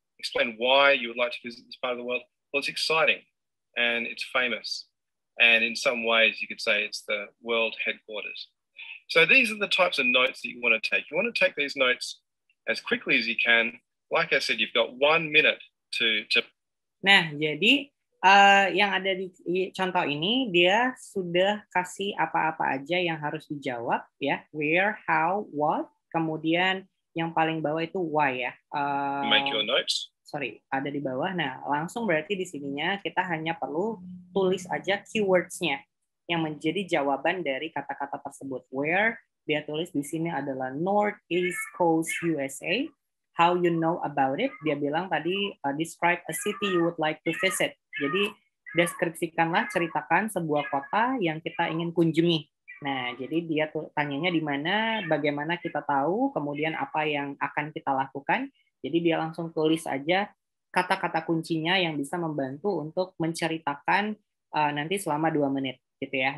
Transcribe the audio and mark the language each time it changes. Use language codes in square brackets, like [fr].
[en] Explain why you would like to visit this part of the world. Well, it's exciting and it's famous. And in some ways you could say it's the world headquarters. So these are the types of notes that you want to take. You want to take these notes as quickly as you can. Like I said, you've got 1 minute to... [id] Nah, jadi yang ada di contoh ini, dia sudah kasih apa-apa aja yang harus dijawab, ya. Where, how, what. Kemudian yang paling bawah itu why, ya. [en] Make your notes. [id] Sorry, ada di bawah. Nah, langsung berarti di sininya kita hanya perlu tulis aja keywords-nya yang menjadi jawaban dari kata-kata tersebut. Where, dia tulis di sini adalah Northeast Coast USA. [en] How you know about it, [id] dia bilang tadi, [en] describe a city you would like to visit. [id] Jadi, deskripsikanlah, ceritakan sebuah kota yang kita ingin kunjungi. Nah, jadi dia tanyanya di mana, bagaimana kita tahu, kemudian apa yang akan kita lakukan. Jadi, dia langsung tulis aja kata-kata kuncinya yang bisa membantu untuk menceritakan nanti selama 2 menit. Gitu ya.